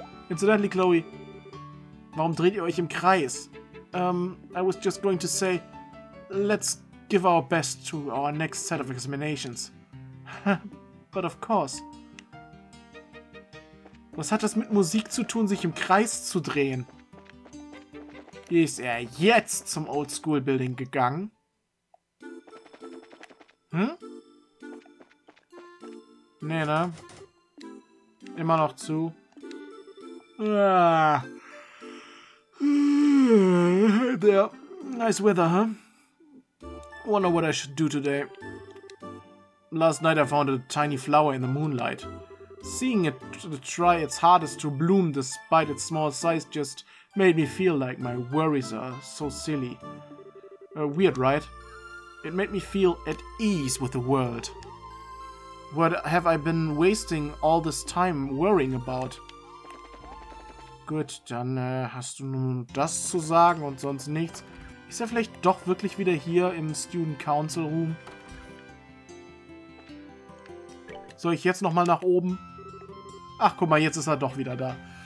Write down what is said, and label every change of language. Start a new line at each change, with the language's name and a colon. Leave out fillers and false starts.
German: Incidentally, Chloe, warum dreht ihr euch im Kreis?
English: I was just going to say, let's give our best to our next set of examinations. But of course.
German: Was hat das mit Musik zu tun, sich im Kreis zu drehen? Ist er jetzt zum Old School Building gegangen? Hm? Nee, ne? Immer noch zu.
English: Hey there. Nice weather, huh? Wonder what I should do today. Last night I found a tiny flower in the moonlight. Seeing it try its hardest to bloom despite its small size just made me feel like my worries are so silly. Weird, right? It made me feel at ease with the world. What have I been wasting all this time worrying about?
German: Gut, dann hast du nur das zu sagen und sonst nichts. Ist er vielleicht doch wirklich wieder hier im Student Council Room? Soll ich jetzt nochmal nach oben? Ach, guck mal, jetzt ist er doch wieder da.